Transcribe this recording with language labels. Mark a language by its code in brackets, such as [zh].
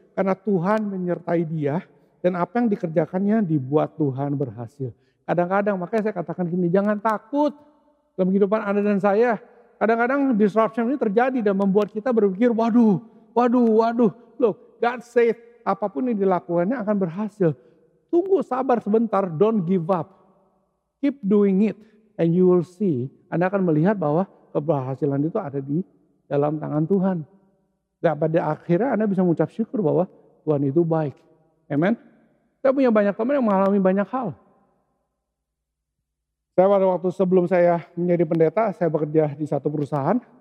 [id] Karena Tuhan menyertai dia dan apa yang dikerjakannya dibuat Tuhan berhasil. Kadang-kadang makanya saya katakan gini, jangan takut dalam kehidupan Anda dan saya. Kadang-kadang disruption ini terjadi dan membuat kita berpikir, waduh. [en] Look, God said [id] apapun yang dilakukannya akan berhasil. Tunggu sabar sebentar, [en] don't give up. Keep doing it and you will see. [id] Anda akan melihat bahwa keberhasilan itu ada di dalam tangan Tuhan. Dan pada akhirnya Anda bisa mengucap syukur bahwa Tuhan itu baik. Amen. Saya punya banyak teman yang mengalami banyak hal. Saya pada waktu sebelum saya menjadi pendeta, saya bekerja di satu perusahaan.